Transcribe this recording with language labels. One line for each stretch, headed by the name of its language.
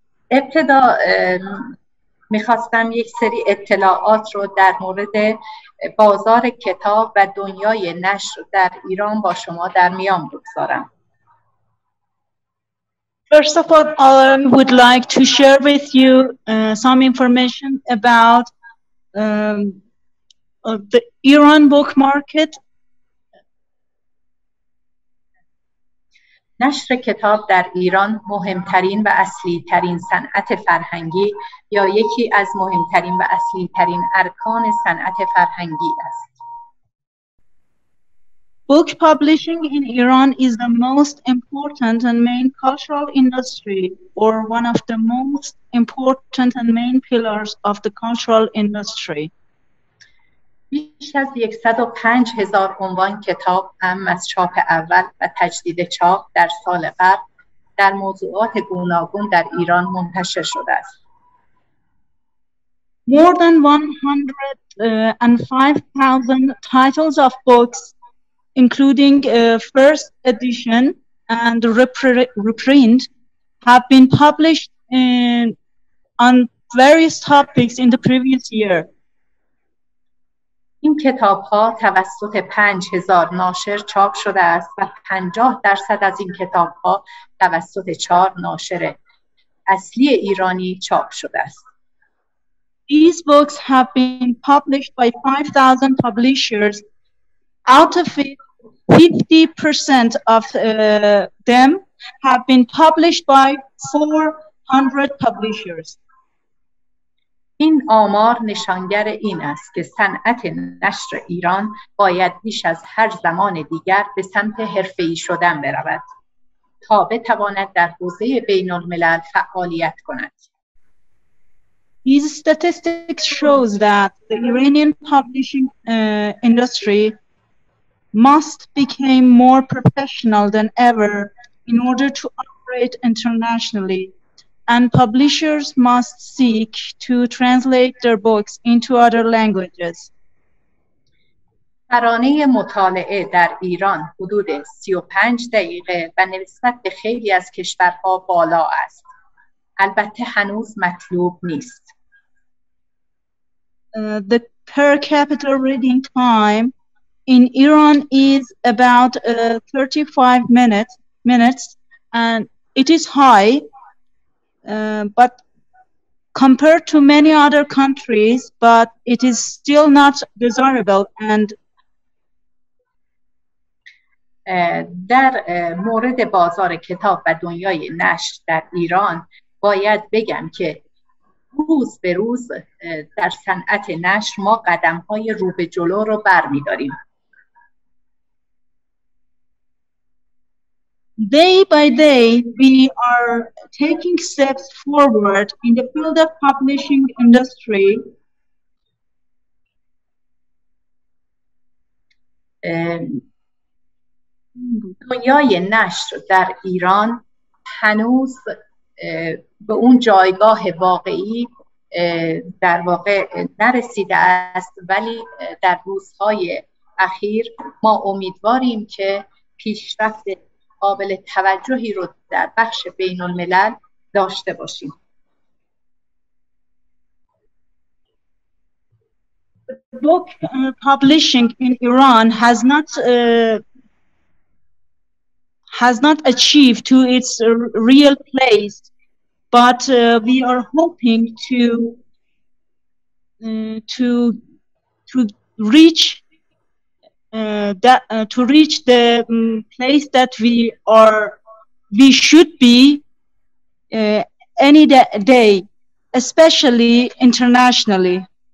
Persian: ابتدا میخواستم یک سری اطلاعات رو در مورد بازار کتاب و دنیای نشر در ایران با شما در میان بگذارم.
English: First of all, I would like to share with you some information about the Iran book market.
Persian: نشر کتاب در ایران مهمترین و اصلی ترین صنعت فرهنگی یا یکی از مهمترین و اصلی ترین ارکان صنعت فرهنگی است.
English: Book publishing in Iran is the most important and main cultural industry, or one of the most important and main pillars of the cultural industry.
Persian: بیش از 105,000 عنوان کتاب هم از چاپ اول و تجدید چاپ در سال قبل در موضوعات گوناگون در ایران منتشر شده است.
English: More than 105,000 titles of books, including first edition and reprint, have been published on various topics in the previous year.
Persian: این کتاب ها توسط 5,000 ناشر چاپ شده است و 50% از این کتاب ها توسط 4 ناشر اصلی ایرانی چاپ شده است.
English: These books have been published by 5,000 publishers. Out of it, 50% of them have been published by 400 publishers.
Persian: این آمار نشانگر این است که صنعت نشر ایران باید بیش از هر زمان دیگر به سمت حرفه‌ای شدن برود تا بتواند در حوزه بین الملل فعالیت کند.
English: These statistics shows that the Iranian publishing industry must become more professional than ever in order to operate internationally, and publishers must seek to translate their books into other languages.
Persian: ترانه مطالعه در ایران حدود 35 دقیقه و نسبت به خیلی از کشورها بالا است. البته هنوز مطلوب نیست.
English: The per capita reading time in Iran is about 35 minutes and it is high, but compared to many other countries, but it is still not desirable and
Persian: در مورد بازار کتاب و دنیای نشر در ایران باید بگم که روز به روز در صنعت نشر ما قدم‌های رو به جلو رو برمی‌داریم.
English: Day by day we are taking steps forward in the field of publishing industry.
Persian: دنیای نشر در ایران هنوز به اون جایگاه واقعی در واقع نرسیده است، ولی در روزهای اخیر ما امیدواریم که پیشرفت قابل توجهی رو در بخش بین الملل داشته باشیم.
English: Book publishing in Iran has not achieved to its real place, but we are hoping to reach the place that we should be any day, especially internationally.